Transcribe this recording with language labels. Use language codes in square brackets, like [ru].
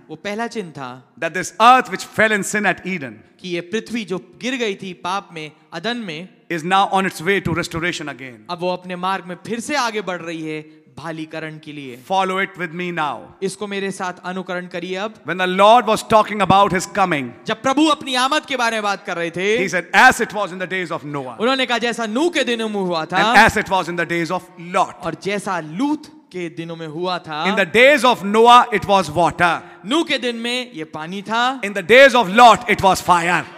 [hi] वो पहला चिन्ह था [en] that this earth which fell in sin at Eden [hi] कि ये पृथ्वी जो गिर गई थी पाप में अदन में [en] is now on its way to restoration again [hi] अब वो अपने मार्ग में फिर से आगे बढ़ रही है भालीकरण के लिए. [en] Follow it with me now. [hi] इसको मेरे साथ अनुकरण करिए अब. [en] when the Lord was talking about his coming, [hi] जब प्रभु अपनी आमद के बारे में बात कर रहे थे, [en] he said as it was in the days of Noah, [hi] उन्होंने कहा जैसा नूह के दिनों में हुआ था, [en] as it was in the days of Lot, [hi] और जैसा लूत के दिनों में हुआ था. [en] in the days of Noah it was water, [hi] नूह के दिन में ये पानी था. [en] in the days of Lot it was fire,